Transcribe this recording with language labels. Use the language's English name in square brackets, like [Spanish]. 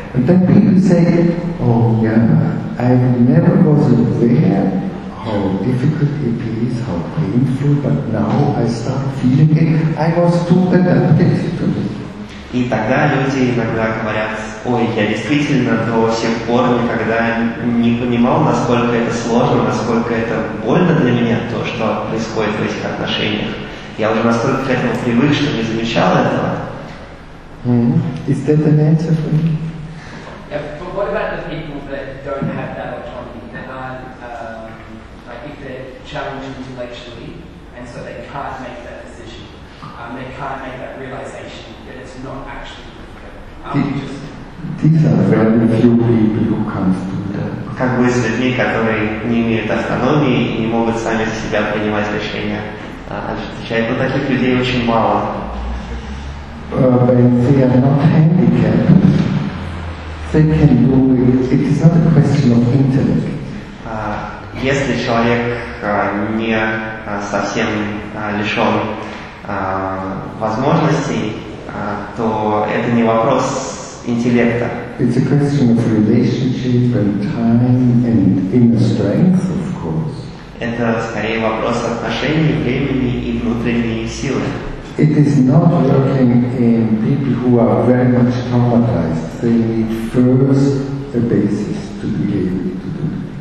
[English] And then people say, oh yeah, I never was aware how difficult it is, how painful, but now I start feeling it. I was too adapted to it. [Russian] И тогда люди иногда говорят, ой, я действительно до сих пор никогда не понимал, насколько это сложно, насколько это больно для меня, то, что происходит в этих отношениях. Я уже настолько к этому привык, что не замечал этого. [English] Is that an answer for me? Yeah, but what about the people that don't have that autonomy? They are, like, if they're challenged intellectually, and so they can't make that decision, they can't make that realization that it's not actually difficult. These are very few people who can't do that. [Russian] Как бы с людьми, которые не имеют автономии и не могут сами за себя принимать решения. Отвечает, но таких людей очень мало. [English] When they are not handicapped, they can do it. It is not a question of intellect. [Russian] Если человек не совсем лишен возможностей, то это не вопрос интеллекта. [English] It's a question of relationship and time and inner strength, of course. [Russian] Это скорее вопрос отношений, времени и внутренней силы. [English] It is not working in people who are very much traumatized. They need first the basis to be able to do it.